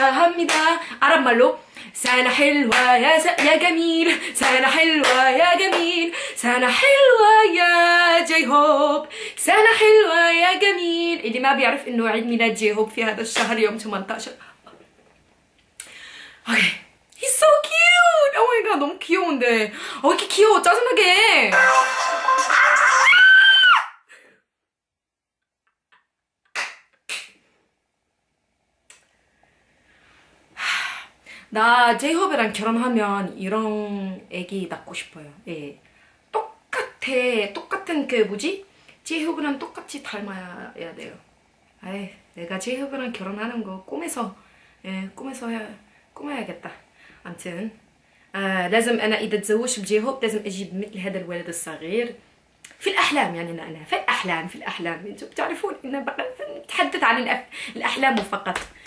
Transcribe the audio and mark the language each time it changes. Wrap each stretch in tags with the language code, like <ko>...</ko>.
<ar>همي ده عرب ملو. سنة حلوة يا يا جميل، سنة حلوة يا جميل، سنة حلوة يا جاي هوب، سنة حلوة يا جميل. اللي ما بيعرف انه عيد ميلاد جاي هوب في هذا الشهر يوم 18.</ar> <en>Okay he's so cute. Oh my god, I'm cute. Oh, he's cute.</en> <ko>짜증나게. J-Hope랑 결혼하면 이런 애기 낳고 싶어요. 예. 똑같아. 똑같은 그 뭐지? J-Hope랑 똑같이 닮아야 돼요. 아이, 내가 J-Hope랑 결혼하는 거 꿈에서, 예, 꿈에서 해, 꾸며야겠다. 암튼, 아,</ko> <ar>لازم أنا إذا تزوج بJ-Hope لازم أجيب مثل هذا الولد الصغير. في الأحلام يعني أنا في الأحلام، في الأحلام. أنتم بتعرفون إن نتحدث عن الأحلام فقط.</ar>